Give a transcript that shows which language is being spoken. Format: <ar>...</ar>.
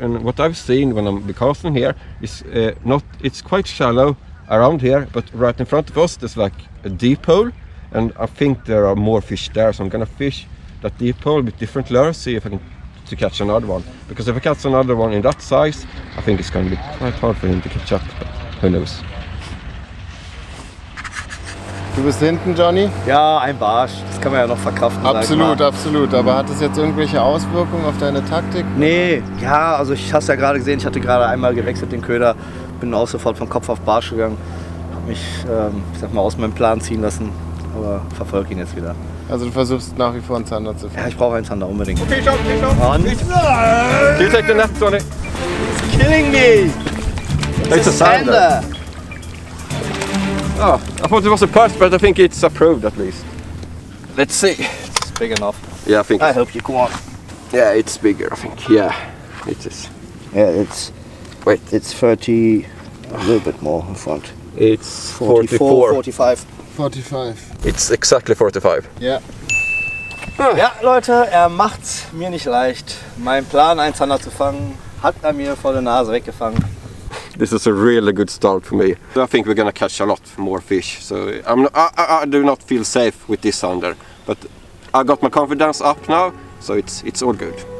<en>And what I've seen when I'm casting here is it's quite shallow around here, but right in front of us there's like a deep hole. And I think there are more fish there, so I'm gonna fish that deep hole with different lures, see if I can to catch another one, because if I catch another one in that size, I think it's going to be quite hard for him to catch up, but who knows.</en> <de>Du bist hinten, Johnny? Ja, ein Barsch, das kann man ja noch verkraften. Absolut, absolut. Aber hat das jetzt irgendwelche Auswirkungen auf deine Taktik? Nee, ja, also ich hast ja gerade gesehen, ich hatte gerade einmal gewechselt den Köder, bin auch sofort vom Kopf auf Barsch gegangen, hab mich, ich sag mal, aus meinem Plan ziehen lassen, aber verfolge ihn jetzt wieder. Also du versuchst nach wie vor einen Zander zu finden. Ja, ich brauche einen Zander unbedingt. Okay, schau, okay, schau. Und?</de> <en>Do you take the net, Sonny? It's killing me! It's a Zander! Oh, I thought it was a perch, but I think it's approved at least. Let's see. It's big enough. Yeah, I think. I hope you caught. Yeah, it's bigger, I think. Yeah, it is. Yeah, it's... Wait, it's 30... A little bit more in front. It's 44. 45. 45. It's exactly 45. Yeah.</en> <de>Ja, Leute, er macht's mir nicht leicht. Mein Plan, einen Zander zu fangen, hat er mir vor der Nase weggefangen.</de> <en>This is a really good start for me. I think we're gonna catch a lot more fish. So I do not feel safe with this Zander. But I got my confidence up now, so it's all good.</en>